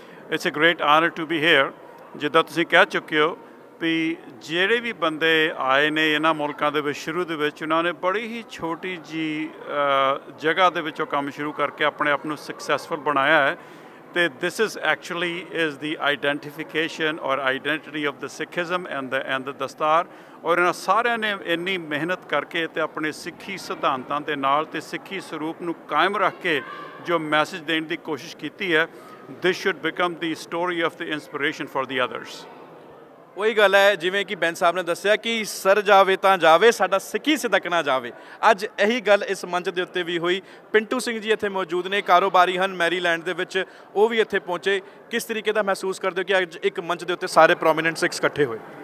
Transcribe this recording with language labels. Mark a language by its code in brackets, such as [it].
[en] It's a great honour to be here. [pa] ਜਿੱਦਾਂ ਤੁਸੀਂ ਕਹਿ ਚੁੱਕੇ ਹੋ ਵੀ ਜਿਹੜੇ ਵੀ ਬੰਦੇ ਆਏ ਨੇ ਇਹਨਾਂ ਮੁਲਕਾਂ ਦੇ ਵਿੱਚ ਸ਼ੁਰੂ ਦੇ ਵਿੱਚ, ਉਹਨਾਂ ਨੇ ਬੜੀ ਹੀ ਛੋਟੀ ਜੀ ਜਗ੍ਹਾ ਦੇ ਵਿੱਚ ਉਹ ਕੰਮ ਸ਼ੁਰੂ ਕਰਕੇ ਆਪਣੇ ਆਪ ਨੂੰ ਸਕਸੈਸਫੁਲ ਬਣਾਇਆ ਹੈ, ਅਤੇ [en] This is actually is the identification or identity of the Sikhism and the dastar. [pa] ਔਰ ਇਹਨਾਂ ਸਾਰਿਆਂ ਨੇ ਇੰਨੀ ਮਿਹਨਤ ਕਰਕੇ ਅਤੇ ਆਪਣੇ ਸਿੱਖੀ ਸਿਧਾਂਤਾਂ ਦੇ ਨਾਲ ਅਤੇ ਸਿੱਖੀ ਸਰੂਪ ਨੂੰ ਕਾਇਮ ਰੱਖ ਕੇ ਜੋ ਮੈਸੇਜ ਦੇਣ ਦੀ ਕੋਸ਼ਿਸ਼ ਕੀਤੀ ਹੈ, [en] this should become the story of the inspiration for the others. [pa] ਉਹੀ ਗੱਲ ਹੈ ਜਿਵੇਂ ਕਿ ਬੈਂਸ ਸਾਹਿਬ ਨੇ ਦੱਸਿਆ ਕਿ ਸਰ ਜਾਵੇ ਤਾਂ ਜਾਵੇ ਸਾਡਾ ਸਿੱਖੀ ਸਿਦਕਣਾ ਜਾਵੇ। ਅੱਜ ਇਹੀ ਗੱਲ ਇਸ ਮੰਚ ਦੇ ਉੱਤੇ ਵੀ ਹੋਈ। ਪਿੰਟੂ ਸਿੰਘ ਜੀ ਇੱਥੇ ਮੌਜੂਦ ਨੇ, ਕਾਰੋਬਾਰੀ ਹਨ ਮੈਰੀਲੈਂਡ ਦੇ ਵਿੱਚ, ਉਹ ਵੀ ਇੱਥੇ ਪਹੁੰਚੇ। ਕਿਸ ਤਰੀਕੇ ਦਾ ਮਹਿਸੂਸ ਕਰਦੇ ਹੋ ਕਿ ਅੱਜ ਇੱਕ ਮੰਚ ਦੇ ਉੱਤੇ ਸਾਰੇ ਪ੍ਰੋਮੀਨੈਂਟ ਸਿੱਖ ਇਕੱਠੇ ਹੋਏ?